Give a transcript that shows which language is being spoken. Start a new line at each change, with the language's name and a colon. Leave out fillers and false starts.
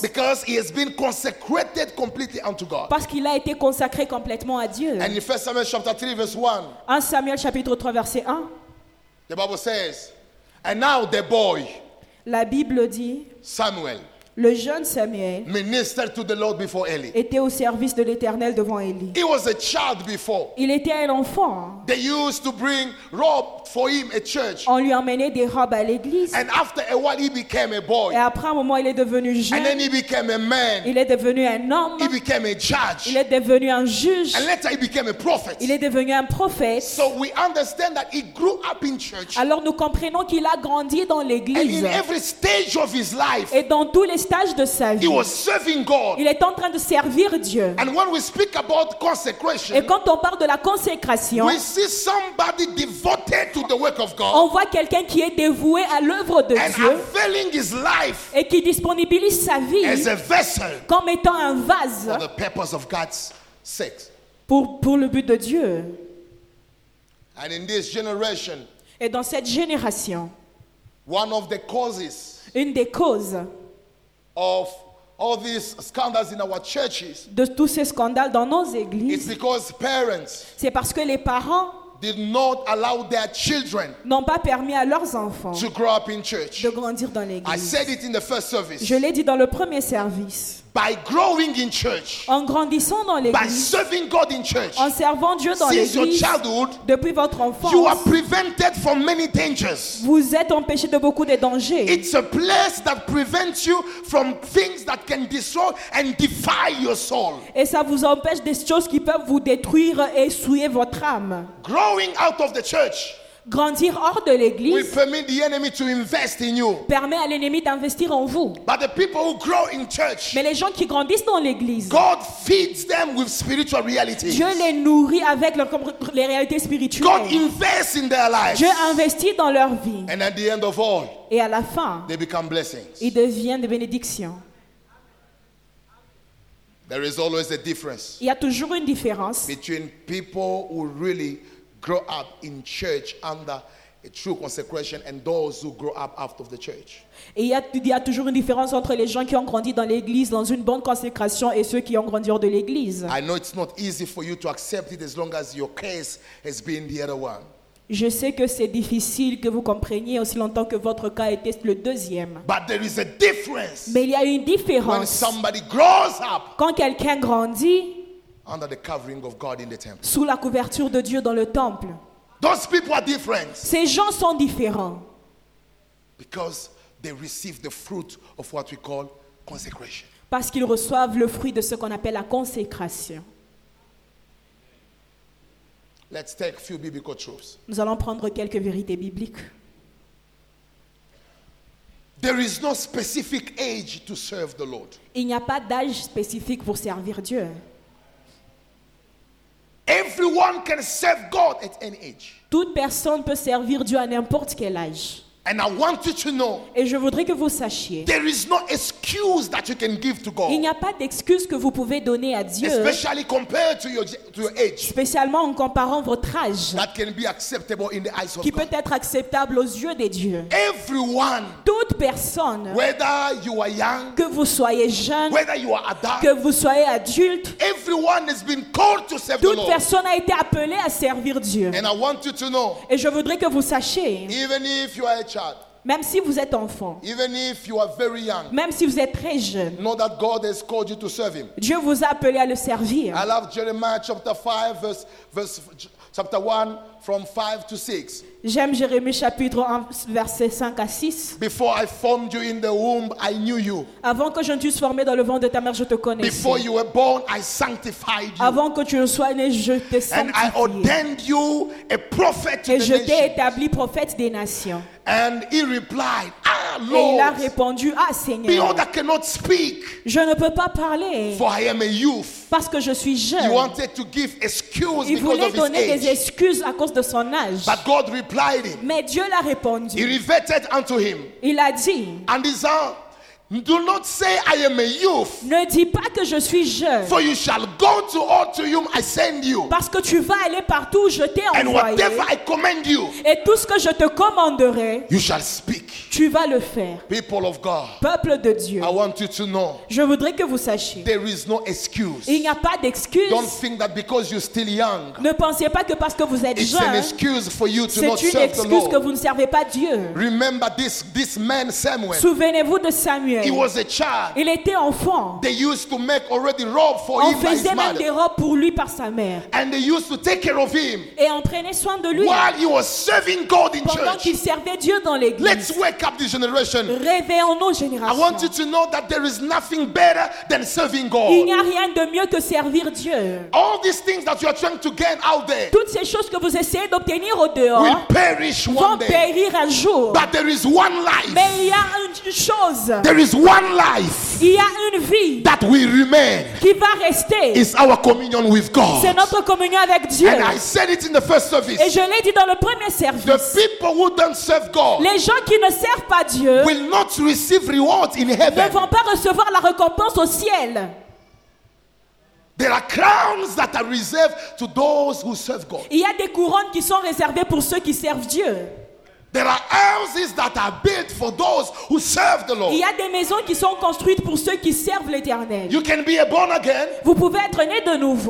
English: Because he has been consecrated completely unto God.
French: Parce qu'il a été consacré complètement à Dieu.
English: And in 1 Samuel chapter 3 verse 1.
French: 1 Samuel chapitre 3 verset 1.
English: The Bible says. And now the boy,
French: la Bible dit,
English: Samuel,
French: le jeune Samuel,
English: ministered to the Lord before Eli.
French: Était au service de l'Éternel devant Eli.
English: He was a child before.
French: Il était un enfant.
English: They used to bring robe for him at church.
French: On lui emmenait des robes à l'église.
English: And after a while, he became a boy.
French: Et après un moment, il est devenu jeune.
English: And then he became a man.
French: Il est devenu un homme.
English: He became a judge.
French: Il est devenu un juge.
English: And later, he became a prophet.
French: Il est devenu un prophète.
English: So we understand that he grew up in church.
French: Alors nous comprenons qu'il a grandi dans l'église.
English: And in every stage of his life.
French: Et dans tous les stage de sa vie.
English: He was serving God.
French: Il est en train de servir Dieu.
English: And when we speak about consecration,
French: et quand on parle de la consécration,
English: we see somebody devoted to the work of God.
French: On voit quelqu'un qui est dévoué à l'œuvre de
English: and
French: Dieu
English: availing his life
French: et qui disponibilise sa vie
English: as a vessel
French: comme étant un vase
English: for the purpose of God's sake.
French: Pour le but de Dieu.
English: And in this generation,
French: et dans cette génération,
English: one of the causes,
French: une des causes
English: of all these scandals in our churches,
French: de tous ces scandales dans nos églises,
English: it's because parents,
French: c'est parce que les parents,
English: did not allow their children,
French: n'ont pas permis à leurs enfants,
English: to grow up in church,
French: de grandir dans l'église.
English: I said it in the first service.
French: Je l'ai dit dans le premier service.
English: By growing in church,
French: en grandissant dans l'église,
English: by serving God in church,
French: en servant Dieu dans
English: since
French: l'église,
English: your childhood,
French: depuis votre enfance,
English: you are prevented from many dangers.
French: Vous êtes empêché de beaucoup de dangers.
English: It's a place that prevents you from things that can destroy and defy your soul.
French: Et ça vous empêche des choses qui peuvent vous détruire et souiller votre âme.
English: Growing out of the church,
French: grandir hors de l'église,
English: will permit the enemy to invest in you.
French: Permet à l'ennemi d'investir en vous.
English: But the people who grow in church,
French: mais les gens qui grandissent dans l'église,
English: God feeds them with spiritual realities.
French: Dieu les nourrit avec les réalités spirituelles.
English: God invests in their lives.
French: Dieu investit dans leur vie.
English: And at the end of all,
French: et à la fin,
English: they become blessings.
French: Ils deviennent des bénédictions.
English: There is always a difference.
French: Il y a toujours une différence
English: between people who really grow up in church under a true consecration and those who grow up out of the church.
French: Et il y a toujours une différence entre les gens qui ont grandi dans l'église dans une bonne consécration et ceux qui ont grandi hors de l'église.
English: I know it's not easy for you to accept it as long as your case has been the other one.
French: Je sais que c'est difficile que vous compreniez aussi longtemps que votre cas était le deuxième.
English: But there is a difference.
French: Mais il y a une différence.
English: When somebody grows up,
French: quand quelqu'un grandit
English: under the covering of God in the temple.
French: Sous la couverture de Dieu dans le temple.
English: Those people are different.
French: Ces gens sont différents.
English: Because they receive the fruit of what we call consecration.
French: Parce qu'ils reçoivent le fruit de ce qu'on appelle la consécration.
English: Let's take a few biblical truths.
French: Nous allons prendre quelques vérités bibliques.
English: There is no specific age to serve the Lord.
French: Il n'y a pas d'âge spécifique pour servir Dieu.
English: Everyone can serve God at any age.
French: Toute personne peut servir Dieu à n'importe quel âge.
English: And I want you to know.
French: Et je voudrais que vous sachiez.
English: There is no excuse that you can give to God.
French: Il n'y a pas d'excuse que vous pouvez donner à Dieu.
English: Especially compared to your age.
French: Spécialement en comparant votre âge.
English: That can be acceptable in the eyes of God.
French: Qui peut être acceptable aux yeux des dieux.
English: Everyone.
French: Toute personne.
English: Whether you are young.
French: Que vous soyez jeune.
English: Whether you are adult.
French: Que vous soyez adulte.
English: Everyone has been called to serve the Lord.
French: Toute personne a été appelée à servir Dieu.
English: And I want you to know.
French: Et je voudrais que vous sachiez.
English: Even if you are child,
French: même si vous êtes enfant,
English: even if you are very young,
French: même si vous êtes très jeune,
English: know that God has called you to serve him.
French: Dieu vous a appelé à le servir.
English: I love Jeremiah chapter 5 verse chapter 1 from 5 to 6.
French: J'aime Jérémie chapitre 1 verset 5 à 6.
English: Before I formed you in the womb, I knew you.
French: Avant que je ne t'eusse formé dans le ventre de ta mère, je te connaissais.
English: Before you were born, I sanctified you.
French: Avant que tu ne sois né, je t'ai sanctifié.
English: And I ordained you a prophet to the nations.
French: Et je t'ai établi prophète des nations.
English: And he replied, Ah Lord.
French: Et il a répondu, Ah Seigneur.
English: Behold, I cannot speak.
French: Je ne peux pas parler.
English: For I am a youth.
French: Parce que je suis jeune.
English: He wanted to give excuses.
French: Il voulait donner des excuses à cause de son âge.
English: But God replied him.
French: Mais Dieu l'a répondu.
English: He reverted unto him.
French: Il a dit.
English: And disant, Do not say I am a youth.
French: Ne dis pas que je suis jeune.
English: For you shall go to all to whom I send you.
French: Parce que tu vas aller partout où je t'ai envoyé.
English: And whatever I command you.
French: Et tout ce que je te commanderai.
English: You shall speak.
French: Tu vas le faire.
English: People of God.
French: Peuple de Dieu.
English: I want you to know.
French: Je voudrais que vous sachiez.
English: There is no excuse.
French: Il n'y a pas d'excuse.
English: Don't think that because you're still young.
French: Ne pensez pas que parce que vous êtes jeune.
English: It's an excuse for you to not serve the Lord.
French: C'est une excuse que vous ne servez pas Dieu.
English: Remember this man Samuel.
French: Souvenez-vous de Samuel.
English: He was a child.
French: Il était enfant.
English: They used to make already robes for him
French: On faisait même des robes pour lui par sa mère.
English: And they used to take care of him.
French: Et on prenait soin de lui.
English: While he was serving God in church.
French: Pendant qu'il servait Dieu dans l'église.
English: Let's wake up this generation.
French: Réveillons-nous, génération.
English: I want you to know that there is nothing better than serving God.
French: Il n'y a rien de mieux que servir Dieu.
English: All these things that you are trying to gain out there.
French: Toutes ces choses que vous essayez d'obtenir au dehors.
English: Will perish one day.
French: Vont périr un jour.
English: But there is one life.
French: Mais il y a une chose.
English: There is one life.
French: Il y a une vie.
English: That will remain.
French: Qui va rester.
English: Is our communion with God.
French: C'est notre communion avec Dieu.
English: And I said it in the first service.
French: Et je l'ai dit dans le premier service.
English: The people who don't serve God.
French: Les gens qui ne servent pas Dieu.
English: Will not receive rewards in heaven.
French: Ne vont pas recevoir la récompense au ciel.
English: There are crowns that are reserved to those who serve God.
French: Il y a des couronnes qui sont réservées pour ceux qui servent Dieu.
English: There are houses that are built for those who serve the Lord.
French: Il y a des maisons qui sont construites pour ceux qui servent l'Éternel.
English: You can be a born again.
French: Vous pouvez être né de nouveau.